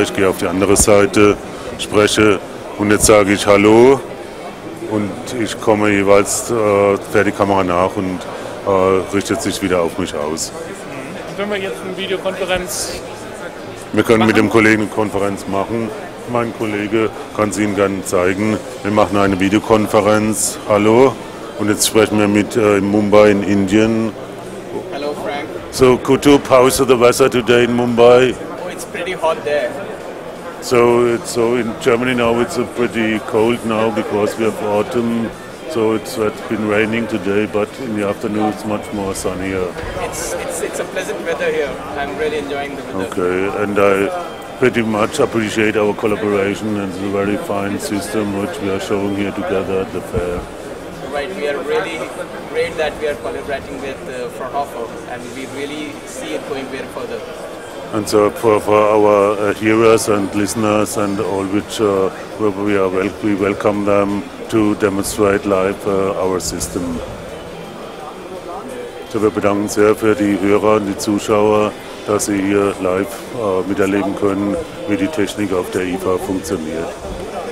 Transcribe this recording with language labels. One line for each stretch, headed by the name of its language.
German: Ich gehe auf die andere Seite, spreche und jetzt sage ich Hallo und ich komme jeweils, fährt die Kamera nach und richtet sich wieder auf mich aus. Und wenn wir jetzt eine Videokonferenz Mit dem Kollegen eine Konferenz machen. Mein Kollege kann es Ihnen gerne zeigen. Wir machen eine Videokonferenz. Hallo. Und jetzt sprechen wir mit Mumbai in Indien.
English: Hello, Frank. So, Kutub, how is the weather today in Mumbai? Oh, it's pretty hot there. So in Germany now it's pretty cold now because we have autumn. So it's been raining today, but in the afternoon it's much more sunnier. It's a pleasant weather here. I'm really enjoying the weather. Okay, and I pretty much appreciate our collaboration and the very fine system which we are showing here together at the fair. Right, we are really great that we are collaborating with Fraunhofer and we really see it going very further. And so for our hearers and listeners and all which we welcome them to demonstrate live our system.
German: So wir bedanken sehr für die Hörer und die Zuschauer, dass sie hier live miterleben können, wie die Technik auf der IFA funktioniert.